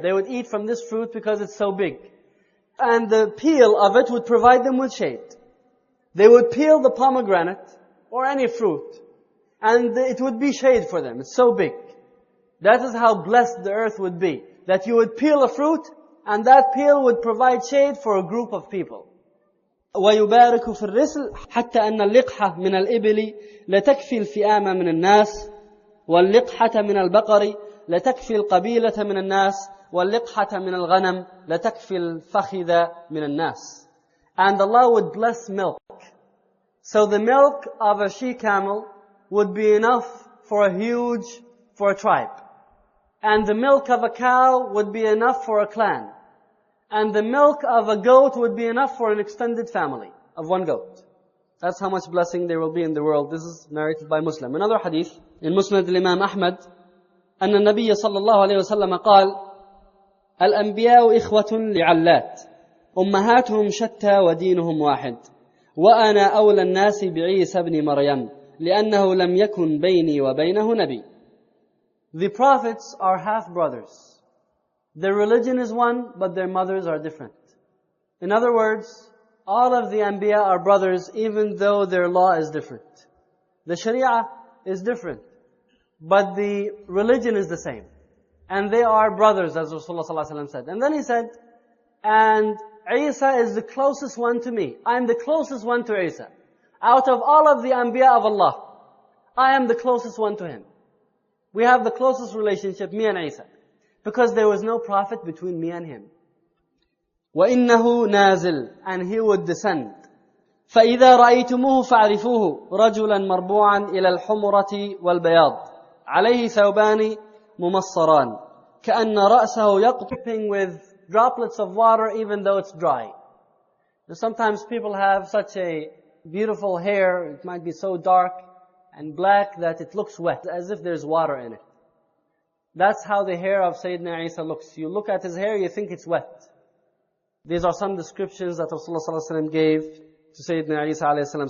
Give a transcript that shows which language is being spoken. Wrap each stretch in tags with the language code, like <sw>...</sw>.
<en>They would eat from this fruit because it's so big. And the peel of it would provide them with shade. They would peel the pomegranate or any fruit, and it would be shade for them. It's so big. That is how blessed the earth would be. That you would peel a fruit, and that peel would provide shade for a group of people.</en> <ar>ويبارك في الرسل حتى أن اللقحة من الإبل لتكفي الفئام من الناس، واللقحة من البقر لتكفي القبيلة من الناس، واللقحة من الغنم لتكفي الفخذة من الناس.</ar> <en>And Allah would bless milk. So the milk of a she-camel would be enough for a huge, for a tribe. And the milk of a cow would be enough for a clan. And the milk of a goat would be enough for an extended family of one goat. That's how much blessing there will be in the world. This is narrated by Muslim. Another hadith in Musnad al-Imam Ahmad,</en> <ar>أن النبي صلى الله عليه وسلم قال الأنبياء إخوة لعلات أمهاتهم شتى ودينهم واحد وأنا أولى الناس بعيسى بن مريم لأنه لم يكن بيني وبينه نبي.</ar> <en>The prophets are half brothers. Their religion is one, but their mothers are different. In other words, all of the Anbiya are brothers, even though their law is different. The Sharia is different, but the religion is the same. And they are brothers, as Rasulullah ﷺ said. And then he said, and Isa is the closest one to me. I am the closest one to Isa. Out of all of the Anbiya of Allah, I am the closest one to him. We have the closest relationship, me and Isa. Because there was no prophet between me and him.</en> <ar>وَإِنَّهُ نَازِلٌ</ar> <en>And he would descend.</en> <ar>فَإِذَا رَأَيْتُمُهُ فَعْرِفُوهُ رَجُلًا مَرْبُوعًا إِلَى الْحُمُرَةِ وَالْبَيَاضِ عَلَيْهِ ثَوْبَانِ مُمَصَّرَانِ كَأَنَّ رَأْسَهُ يَقْطِفِنَّ</ar> <en>With droplets of water even though it's dry. Now sometimes people have such a beautiful hair, it might be so dark and black that it looks wet, as if there's water in it. That's how the hair of Sayyidina Isa looks. You look at his hair, you think it's wet. These are some descriptions that Rasulullah ﷺ gave to Sayyidina Isa ﷺ.</en>